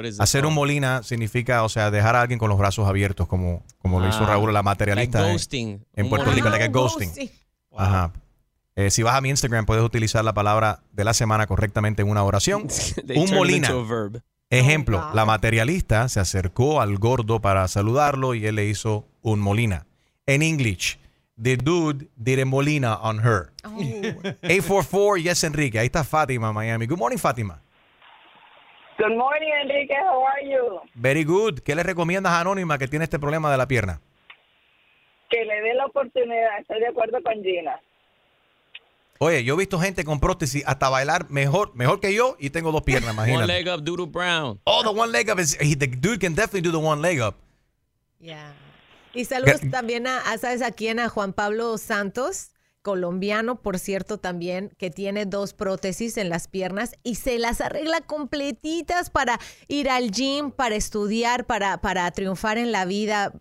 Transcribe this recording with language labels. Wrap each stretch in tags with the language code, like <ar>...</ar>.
<es>Hacer un molina significa, o sea, dejar a alguien con los brazos abiertos, como lo hizo Raúl, la materialista.</es> <en>Like ghosting. En Puerto Rico, like a ghosting. Wow. Ajá.</en> <es>Si vas a mi Instagram, puedes utilizar la palabra de la semana correctamente en una oración. Un molina. Ejemplo, oh, wow. La materialista se acercó al gordo para saludarlo y él le hizo un molina.</es> <en>En English, the dude did a molina on her. Oh. 844, yes, Enrique.</en> <es>Ahí está</es> <en>Fátima, Miami. Good morning, Fátima. Good morning, Enrique. How are you? Very good.</en> <es>¿Qué le recomiendas a Anónima que tiene este problema de la pierna? Que le dé la oportunidad. Estoy de acuerdo con Gina. Oye, yo he visto gente con prótesis hasta bailar mejor que yo y tengo dos piernas, imagínate.</es> <en>One leg up, Doodle Brown. Oh, the one leg up. The dude can definitely do the one leg up. Yeah.</en> <es>Y saludos también a Juan Pablo Santos, colombiano, por cierto, también, que tiene dos prótesis en las piernas y se las arregla completitas para ir al gym, para estudiar, para triunfar en la vida.</es>